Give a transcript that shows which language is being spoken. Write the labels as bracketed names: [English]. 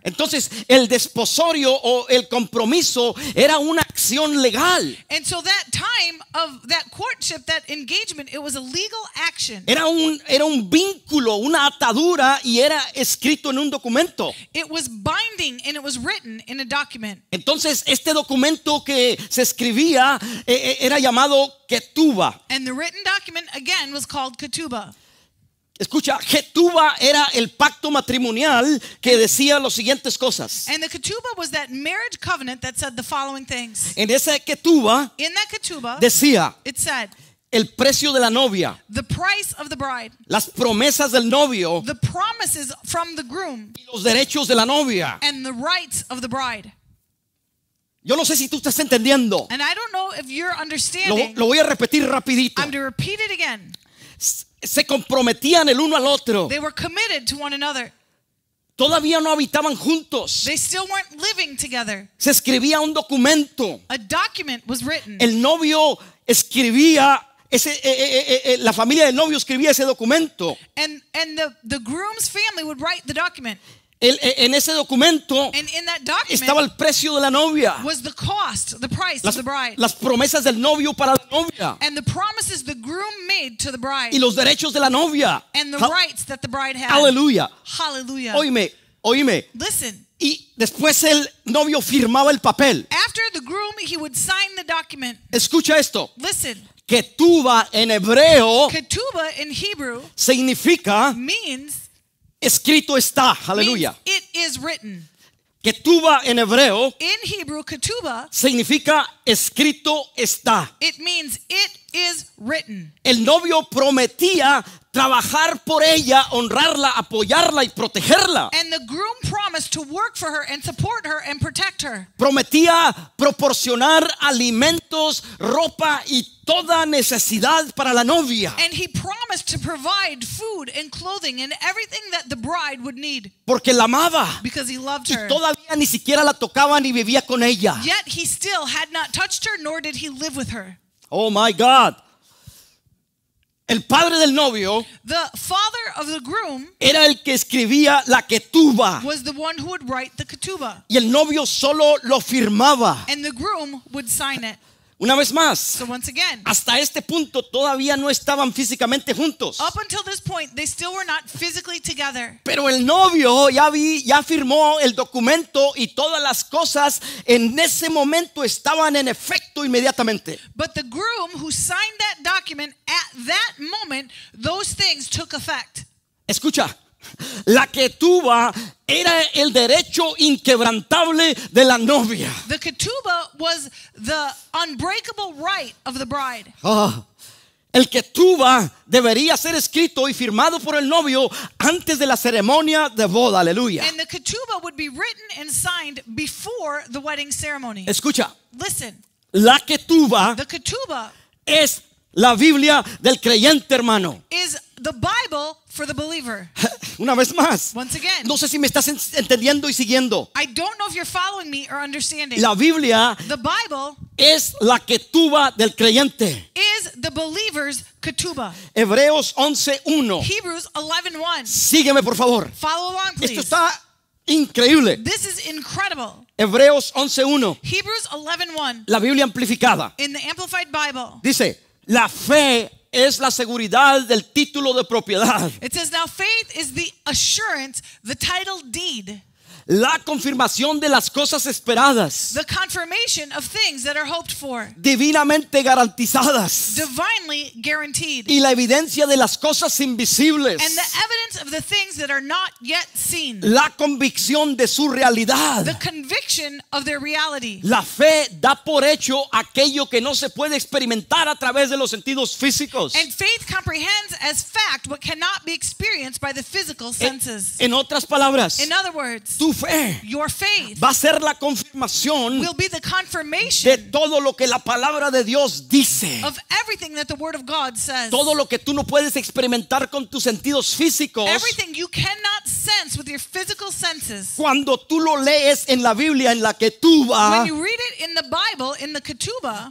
[Spanish] Entonces, el desposorio o el compromiso era una acción legal. [English] And so that time of that courtship, that engagement, it was a legal action. [Spanish] Era un vínculo, una atadura, y era escrito en un documento. [English] It was binding and it was written in a document. [Spanish] Entonces, este documento que se escribía era llamado Ketuba. [English] And the written document, again, was called Ketuba. [Spanish] Escucha, Ketuba era el pacto matrimonial que decía las siguientes cosas. [English] And the Ketuba was that marriage covenant that said the following things. [Spanish] En esa Ketuba, [English] in that Ketuba, [Spanish] decía, [English] it said, [Spanish] el precio de la novia, [English] the price of the bride, [Spanish] las promesas del novio, [English] the promises from the groom, [Spanish] y los derechos de la novia, [English] and the rights of the bride. [Spanish] Yo no sé si tú estás entendiendo. [English] And I don't know if you're understanding. [Spanish] Lo voy a repetir rapidito. [English] I'm going to repeat it again. [Spanish] Se comprometían el uno al otro. [English] They were committed to one another. [Spanish] Todavía no habitaban juntos. [English] They still weren't living together. [Spanish] Se escribía un documento. [English] A document was written. [Spanish] El novio escribía la familia del novio escribía ese documento. [English] And the groom's family would write the document. [Spanish] En ese documento, [English] and in that document, [Spanish] estaba el precio de la novia, [English] was the cost, the price of the bride, [Spanish] las promesas del novio para la novia, [English] and the promises the groom made to the bride, [Spanish] y los derechos de la novia, [English] and the rights that the bride had. Hallelujah. Hallelujah. [Spanish] Oíme. [English] Listen. [Spanish] Y después el novio firmaba el papel. [English] After the groom, he would sign the document. [Spanish] Escucha esto. [English] Listen. [Spanish] Ketuba en hebreo. [English] Ketuba in Hebrew [Spanish] significa. [English] Means. [Spanish] Escrito está, aleluya. [English] It is written. [Spanish] Ketuba en hebreo. [English] In Hebrew, ketuba [Spanish] significa escrito está. [English] It means it is written. [Spanish] El novio prometía trabajar por ella, honrarla, apoyarla y protegerla. [English] And the groom promised to work for her and support her and protect her. [Spanish] Prometía proporcionar alimentos, ropa y toda necesidad para la novia. [English] And he promised to provide food and clothing and everything that the bride would need. [Spanish] Porque la amaba. [English] Because he loved her. [Spanish] Y todavía ni siquiera la tocaba ni vivía con ella. [English] Yet he still had not touched her nor did he live with her. Oh my God. [Spanish] El padre del novio, [English] the father of the groom, [Spanish] era el que escribía la Ketuba, [English] was the one who would write the Ketuba, [Spanish] y el novio solo lo firmaba, [English] and the groom would sign it. [Spanish] Una vez más, [English] so once again, [Spanish] hasta este punto todavía no estaban físicamente juntos. [English] Up until this point, they still were not physically together. [Spanish] Pero el novio ya firmó el documento y todas las cosas en ese momento estaban en efecto inmediatamente. [English] But the groom who signed that document at that moment, those things took effect. [Spanish] Escucha, la ketuba era el derecho inquebrantable de la novia. [English] The ketuba was the unbreakable right of the bride. [Spanish] El ketuba debería ser escrito y firmado por el novio antes de la ceremonia de boda. Aleluya. [English] And the ketuba would be written and signed before the wedding ceremony. [Spanish] Escucha. [English] Listen. [Spanish] La ketuba, [English] the ketuba [Spanish] es la Biblia del creyente, hermano. [English] Is the Bible for the believer. [Spanish] Una vez más. [English] Once again. [Spanish] No sé si me estás entendiendo y siguiendo. [English] I don't know if you're following me or understanding. [Spanish] La Biblia, [English] the Bible, [Spanish] es la ketuba del creyente. [English] Is the believer's ketuba. [Spanish] Hebreos 11:1. [English] Hebrews 11:1. [Spanish] Sígueme, por favor. [English] Follow along, please. [Spanish] Esto está increíble. [English] This is incredible. [Spanish] Hebreos 11:1. [English] Hebrews 11:1. [Spanish] La Biblia amplificada. [English] In the Amplified Bible. [Spanish] Dice, la fe es la seguridad del título de propiedad. [English] It says, now faith is the assurance, the title deed. [Spanish] La confirmación de las cosas esperadas. [English] The confirmation of things that are hoped for. [Spanish] Divinamente garantizadas. [English] Divinely guaranteed. [Spanish] Y la evidencia de las cosas invisibles. [English] And the evidence of the things that are not yet seen. [Spanish] La convicción de su realidad. [English] The conviction of their reality. [Spanish] La fe da por hecho aquello que no se puede experimentar a través de los sentidos físicos. [English] And faith comprehends as fact what cannot be experienced by the physical senses. [Spanish] En otras palabras, [English] in other words, [Spanish] tu fe, [English] your faith, [Spanish] va a ser la confirmación, [English] will be the confirmation, [Spanish] de todo lo que la palabra de Dios dice, [English] of everything that the word of God says, [Spanish] todo lo que tú no puedes experimentar con tus sentidos físicos, [English] everything you cannot sense with your physical senses, [Spanish] cuando tú lo lees en la Biblia, en la ketuba, [English] when you read it in the Bible, in the ketuba,